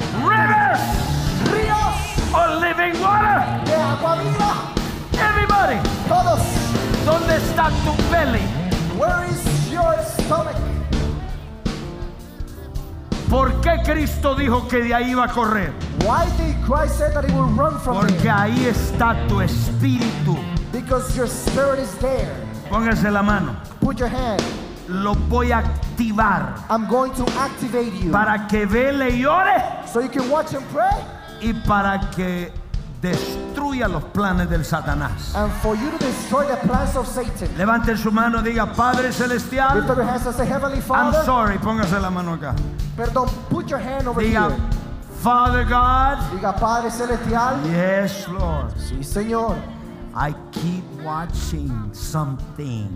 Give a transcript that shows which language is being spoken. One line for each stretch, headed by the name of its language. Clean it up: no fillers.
English: rivers.
Spanish: Ríos.
English: Of living water.
Spanish: De agua viva.
English: Everybody.
Spanish: Todos. ¿Dónde está tu belly?
English: Where is your stomach?
Spanish: ¿Por qué Cristo dijo que de ahí iba a correr?
English: Why did Christ say that he will run from
Spanish: Porque
English: there?
Spanish: Ahí está tu espíritu.
English: Because your spirit is there.
Spanish: Póngase la mano.
English: Put your hand.
Spanish: Lo voy a activar.
English: I'm going to activate you.
Spanish: Para que vele y ore.
English: So you can watch and pray.
Spanish: Y para que destruya los planes del Satanás.
English: And for you to destroy the plans of Satan.
Spanish: Levante su mano y diga, Padre Celestial.
English: Lift up your hands and say, Heavenly Father. I'm sorry.
Spanish: Póngase la mano acá.
English: Perdón, put your hand over
Spanish: Diga,
English: here. Father God.
Spanish: Diga, Padre Celestial.
English: Yes, Lord.
Spanish: Sí, Señor.
English: I keep watching something.